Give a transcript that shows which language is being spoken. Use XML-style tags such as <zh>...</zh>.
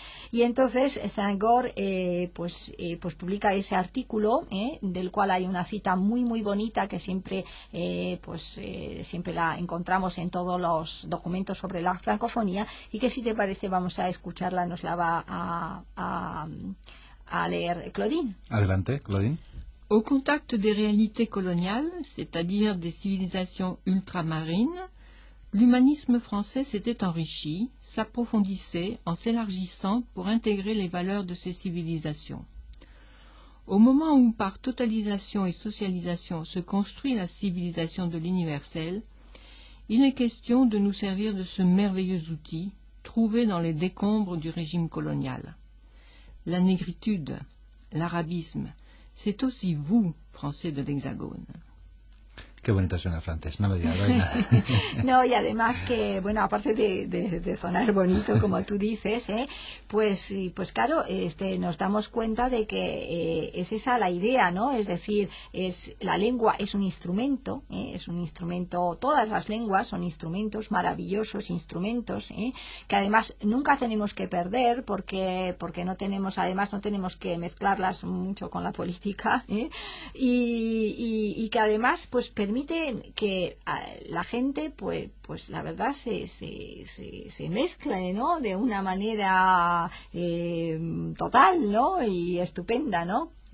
<es>y entonces Saint-Gaul pues publica ese artículo, del cual hay una cita muy muy bonita que siempre la encontramos en todos los documentos sobre la francofonía, y que si te parece vamos a escucharla, nos la va a leer Claudine. Adelante, Claudine.</es> <fr>Au contact des réalités coloniales, c'est-à-dire des civilisations ultramarines, l'humanisme français s'était enrichi, s'approfondissait en s'élargissant pour intégrer les valeurs de ces civilisations. Au moment où par totalisation et socialisation se construit la civilisation de l'universel, il est question de nous servir de ce merveilleux outil trouvé dans les décombres du régime colonial. La négritude, l'arabisme, c'est aussi vous, Français de l'Hexagone.</fr> <es>Qué bonito suena francés, no me digas, no hay nada. No, y además que, bueno, aparte de sonar bonito, como tú dices, pues claro, nos damos cuenta de que es esa la idea, ¿no? Es decir, es la lengua es un instrumento, es un instrumento, todas las lenguas son instrumentos, maravillosos instrumentos, que además nunca tenemos que perder porque no tenemos, además no tenemos que mezclarlas mucho con la política, y que además, pues, permite que la gente pues la verdad se mezcle, ¿no?, de una manera total, ¿no?, y estupenda, ¿no?</es>